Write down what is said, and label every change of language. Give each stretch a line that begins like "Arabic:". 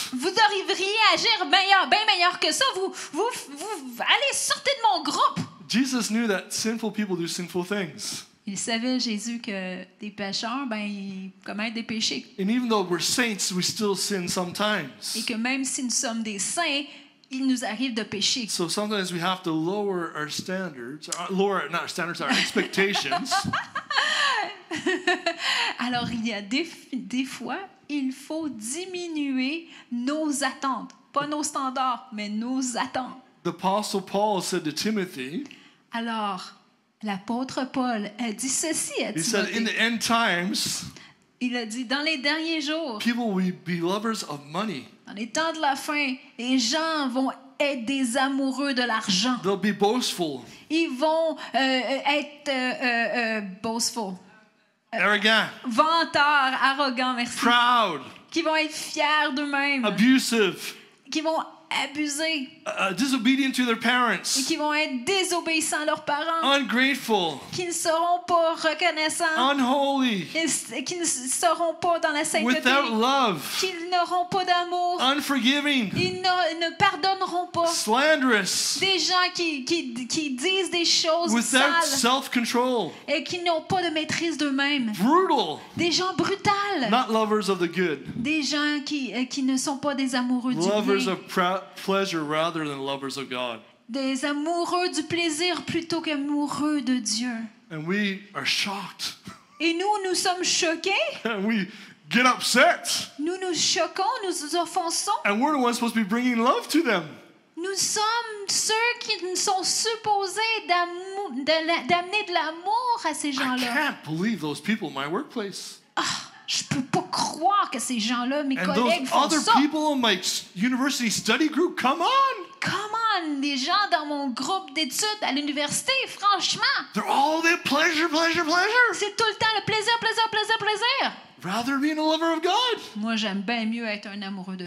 French: Vous arriveriez à agir meilleur, bien meilleur que ça. Vous allez sortir de mon groupe.
English: Jesus knew that sinful people do sinful things.
French: Il savait Jésus que des pécheurs, ben, ils commettent des péchés.
English: And even though we're saints, we still sin sometimes.
French: Et que même si nous sommes des saints, il nous arrive de pécher.
English: So sometimes we have to lower our standards, our expectations.
French: Alors il y a des fois, il faut diminuer nos attentes, pas nos standards, mais nos attentes.
English: The Apostle Paul said to Timothy.
French: Alors, l'apôtre Paul a dit ceci à Timothée.
English: He said, in the end times.
French: Il a dit dans les derniers jours.
English: People will be lovers of money.
French: Dans les temps de la fin, les gens vont être des amoureux de l'argent.
English: They'll be boastful.
French: Ils vont être boastful.
English: Arrogant.
French: Venteurs, arrogants, merci.
English: Proud.
French: Qui vont être fiers d'eux-mêmes.
English: Abusive.
French: Qui vont abuser.
English: Disobedient to their parents.
French: Et qui vont être désobéissants à leurs parents.
English: Ungrateful.
French: Qui ne seront pas reconnaissants.
English: Unholy.
French: Et qui ne seront pas dans la sainteté.
English: Without love.
French: Qui n'auront pas d'amour.
English: Unforgiving.
French: Ils ne pardonneront pas.
English: Slanderous.
French: Des gens qui disent des choses
English: without
French: sales.
English: Without self-control.
French: Et qui n'ont pas de maîtrise d'eux-mêmes.
English: Brutal.
French: Des gens brutales.
English: Not lovers of the good.
French: Des gens qui ne sont pas des amoureux
English: lovers
French: du bien.
English: Lovers of pleasure rather than lovers of God.
French: Des amoureux du plaisir plutôt qu'amoureux de Dieu.
English: And we are shocked.
French: Et nous sommes choqués.
English: And we get upset.
French: Nous choquons, nous offensons.
English: And we're the ones supposed to be bringing love to them.
French: Nous sommes ceux qui sont supposés d'amener de l'amour à ces gens-là.
English: I can't believe those people in my workplace. Oh.
French: Je peux pas croire que ces gens-là, mes
English: and
French: collègues, font ça.
English: And those other people in my university study group, come on! Come on,
French: les gens dans mon groupe d'études à l'université, franchement!
English: They're all the pleasure, pleasure, pleasure!
French: C'est tout le temps le plaisir, plaisir, plaisir, plaisir!
English: Rather be a lover of God.
French: Moi, j'aime bien mieux être un amoureux de